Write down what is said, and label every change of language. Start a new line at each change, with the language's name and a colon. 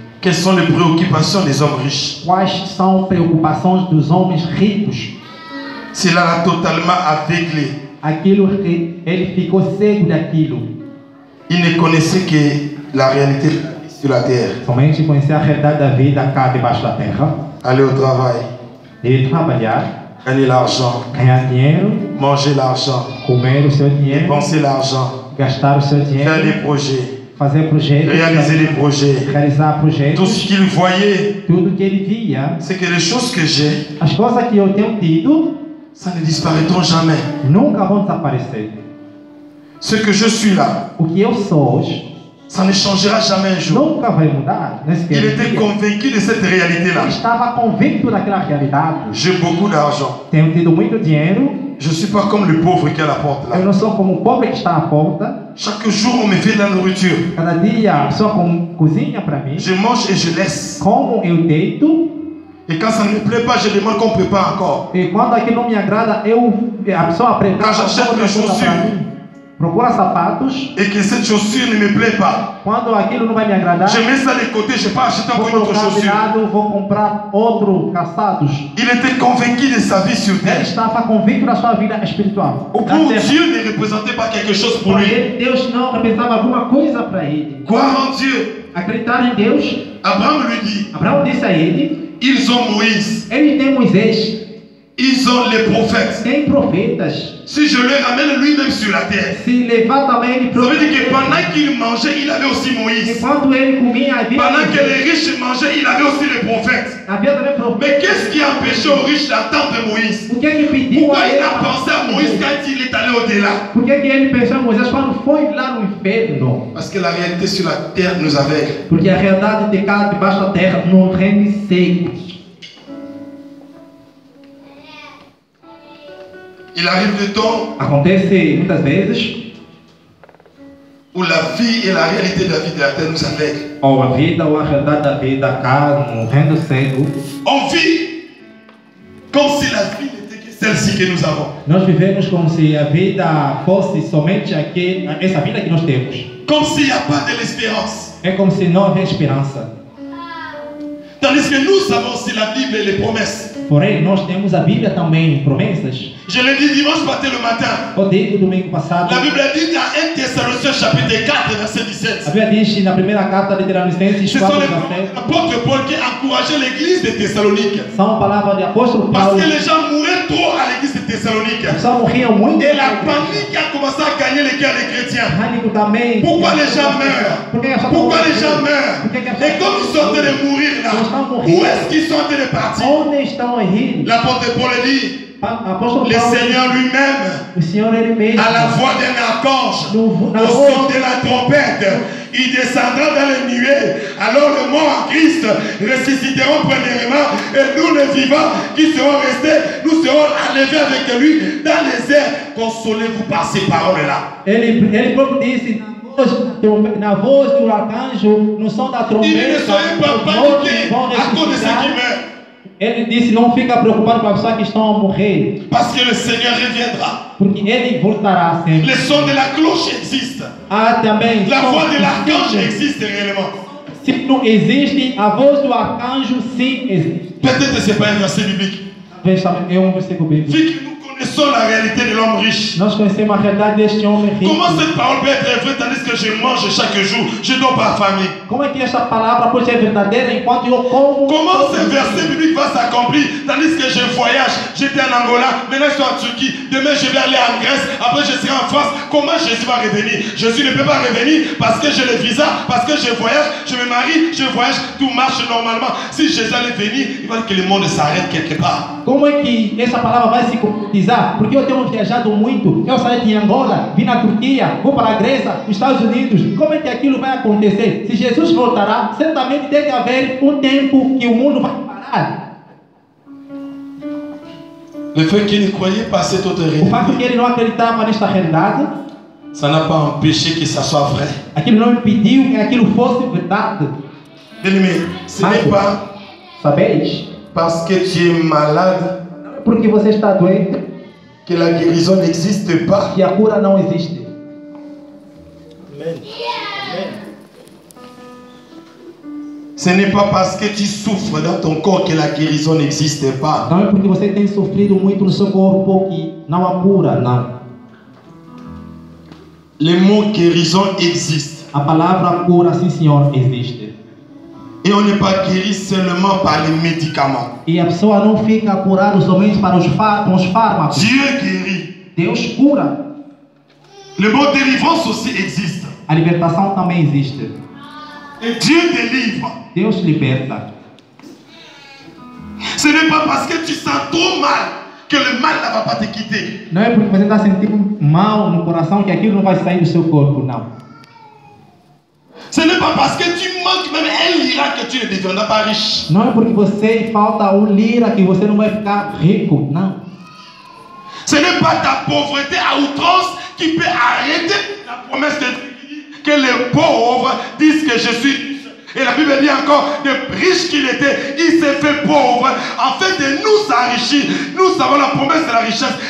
French: Quelles sont les préoccupations des hommes riches?
Portuguese: Quais são preocupações dos homens ricos?
French: Cela l'a totalement aveuglé.
Portuguese: Aquilo que ele ficou cego daquilo.
French: Il ne connaissait que la réalité de la terre.
Portuguese: Somente conhecia a realidade da vida cá debaixo da terra.
French: Aller au travail.
Portuguese: Ir trabalhar.
French: Gagner l'argent.
Portuguese: Ganhar dinheiro.
French: Manger l'argent.
Portuguese: Comer o seu dinheiro.
French: Dépenser l'argent.
Portuguese: Gastar o seu dinheiro.
French: Faire des projets.
Portuguese: Fazer projetos,
French: réaliser les projets, réaliser projets, tout ce qu'il voyait,
Portuguese: tudo que ele via,
French: c'est que les choses que j'ai,
Portuguese: as coisas que eu tenho tido,
French: ça ne disparaîtront jamais,
Portuguese: nunca vão desaparecer.
French: Ce que je suis là,
Portuguese: o que eu sou hoje,
French: ça ne changera jamais un jour,
Portuguese: nunca vai mudar.
French: Il était convaincu de cette réalité là.
Portuguese: Estava convicto daquela realidade.
French: J'ai beaucoup d'argent.
Portuguese: Tenho tido muito dinheiro.
French: Je ne suis pas comme le pauvre qui est à la porte là.
Portuguese: Eu não sou como o pobre que está à porta.
French: Chaque jour on me fait de la nourriture.
Portuguese: Cada dia a pessoa cozinha para mim.
French: Je mange et je laisse.
Portuguese: Como eu deito.
French: Et quand ça ne me plaît pas, je demande qu'on prépare encore.
Portuguese: E quando aquilo não me agrada, eu a pessoa prepara.
French: Quand j'achète mes chaussures.
Portuguese: Procura sapatos.
French: Et que cette chaussure ne me plaît pas.
Portuguese: Quando aquilo não vai me agradar.
French: Je mets ça de côté, je pars acheter encore une autre chaussure.
Portuguese: Lado, vou comprar outro calçado.
French: Il était convaincu de sa vie sur terre.
Portuguese: Ele estava convicto da sua vida espiritual.
French: O pour Dieu ne représentait pas quelque chose pour lui.
Portuguese: Deus não representava alguma coisa para ele.
French: Croire en Dieu.
Portuguese: Acreditar em Deus.
French: Abraão lui dit.
Portuguese: Abraão disse a ele.
French: Ils ont Moïse.
Portuguese: Ele tem Moisés.
French: Ils ont les prophètes.
Portuguese: Tem profetas.
French: Si je le ramène lui-même sur la terre.
Portuguese: Si leva também ele profeta.
French: Ça veut dire que pendant qu'il mangeait, il avait aussi Moïse.
Portuguese: Quando ele comia, havia
French: pendant que les riches mangeaient, il avait aussi les prophètes.
Portuguese: Havia também profeta.
French: Mais qu'est-ce qui a empêché aux riches d'attendre Moïse?
Portuguese: O que é que pediu?
French: Pourquoi il a pensé à Moïse quand il est allé au-delà?
Portuguese: Por que ele pensou em Moisés quando foi lá no inferno?
French: Parce que la réalité sur la terre nous avait.
Portuguese: Porque a realidade de cá debaixo da terra nos rende cegos.
French: Il arrive le temps.
Portuguese: Acontece muitas vezes.
French: Où la vie et la réalité de la vie de la terre nous aveugle.
Portuguese: Ou a vida ou a realidade da vida cá nos rende cego.
French: On vit comme si la vie n'était que celle-ci que nous avons.
Portuguese: Nós vivemos como se a vida fosse somente aquela, essa vida que nós temos.
French: Comme s'il n'y a pas de l'espérance.
Portuguese: É como se não houvesse esperança.
French: Tandis que nous savons si la Bible et les promesses.
Portuguese: Porém, nós temos a Bíblia também, promessas.
French: Je l'ai dit dimanche passé le matin.
Portuguese: Eu digo domingo passado.
French: La Bible dit dans 1 Thessaloniciens chapitre 4 verset 17.
Portuguese: A Bíblia diz na primeira carta de Tessalonicenses 4 verset 17.
French: Apôtre Paul qui encourageait l'église de Thessalonique.
Portuguese: São palavras de apóstolo Paulo.
French: Parce que les gens mouraient trop à l'église de Thessalonique.
Portuguese: Só morriam muito. E a
French: panique
Portuguese: a começar a
French: gagner les cœurs des chrétiens.
Portuguese: Pânico também.
French: Pourquoi les gens meurent? Pourquoi les gens meurent? Et comme ils sont en train de mourir là. Où est-ce qu'ils sont en train de partir?
Portuguese: Onde estão eles?
French: L'apôtre Paul dit.
Portuguese: Apóstolo
French: le Seigneur lui-même,
Portuguese: o Senhor ele mesmo,
French: à la voix d'un archange, au son de la trompette, il descendra dans les nuées. Alors le mort en Christ ressusciteront premièrement, et nous les vivants qui serons restés, nous serons enlevés avec lui dans les airs. Consolez-vous par ces paroles-là.
Portuguese: Ele próprio disse, na voz do arcanjo, no som da trompeta,
French: ne soyez pas paniqués à cause de ce qui meurt.
Portuguese: Ele disse, não fica preocupado com as pessoas que estão a morrer.
French: Parce que le Seigneur reviendra.
Portuguese: Porque ele voltará sempre.
French: Le son de la cloche existe.
Portuguese: Ah, também.
French: La voix de l'archange existe réellement.
Portuguese: Se não existe, a voz do arcanjo sim existe.
French: Peut-être que ce n'est pas un verset biblique.
Portuguese: Veja, é um versículo bíblico. Fique,
French: nous connaissons la réalité de l'homme riche.
Portuguese: Nós conhecemos a realidade deste homem rico.
French: Comment cette parole peut être vraie tandis que je mange chaque jour, je dors par famille?
Portuguese: Como é que esta palavra pode ser verdadeira enquanto eu como?
French: Comment ce verset biblique va s'accomplir tandis que je voyage? J'étais en Angola, maintenant je suis en Turquie, demain je vais aller en Grèce, après je serai en France. Comment Jésus va revenir? Jésus ne peut pas revenir parce que j'ai le visa, parce que je voyage, je me marie, je voyage, tout marche normalement. Si Jésus allait venir, il va que le monde s'arrête quelque part.
Portuguese: Como é que essa palavra vai se concretizar? porque eu tenho viajado muito. Eu saí de Angola, vim na Turquia, vou para a Grécia, nos Estados Unidos. Como é que aquilo vai acontecer? Se Jesus voltará, certamente deve haver um tempo que o mundo vai parar.
French: Le fait qu'il ne croyait pas cette autre réalité,
Portuguese: o fato que ele não acreditava nesta realidade,
French: ça n'a pas empêché que ça soit vrai.
Portuguese: Aquilo não impediu que aquilo fosse verdade.
French: Bem-me, ce n'est pas,
Portuguese: sabeis,
French: parce que tu es malade,
Portuguese: porque você está doente,
French: que la guérison n'existe pas,
Portuguese: que a cura não existe.
French: Amen. Ce n'est pas parce que tu souffres dans ton corps que la guérison n'existe pas.
Portuguese: Não é porque você tem sofrido muito no seu corpo que não há cura, não.
French: Le mot guérison existe.
Portuguese: A palavra cura, sim senhor, existe.
French: Et on n'est pas guéri seulement par les médicaments.
Portuguese: E a pessoa não fica curada somente para os fármacos.
French: Dieu guérit.
Portuguese: Deus cura.
French: Le mot délivrance aussi existe.
Portuguese: A libertação também existe.
French: Et Dieu délivre.
Portuguese: Deus liberta.
French: Ce n'est pas parce que tu sens trop mal que le mal ne va pas te quitter.
Portuguese: Não é porque você está sentindo mal no coração que aquilo não vai sair do seu corpo, não.
French: Ce n'est pas parce que tu manques même un lira que tu ne deviendras pas riche.
Portuguese: Não é porque você falta um lira que você não vai ficar rico, não.
French: Ce n'est pas ta pauvreté à outrance qui peut arrêter la promesse de Dieu. Que les pauvres disent que je suis riche. Et la Bible dit encore, de riche qu'il était, il s'est fait pauvre. En fait, de nous enrichir, nous avons la promesse de la richesse.